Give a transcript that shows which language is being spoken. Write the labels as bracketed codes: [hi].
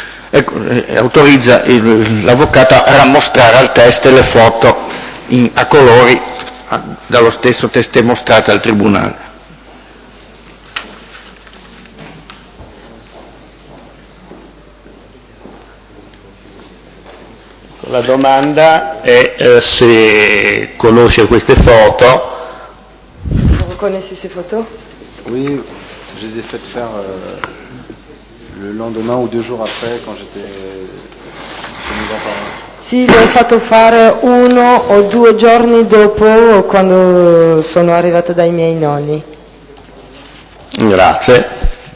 [it] Ecco, autorizza l'avvocato a mostrare al test le foto a colori dallo stesso testé mostrate al tribunale. La domanda è se conosce queste foto. [fr] Vous connaissez ces photos? Oui, je les ai faites faire le lendemain ou 2 jours après quand j'étais chez mes grands-parents. [it] Sì, le ho fatto fare 1 o 2 giorni dopo quando sono arrivata dai miei nonni. Grazie.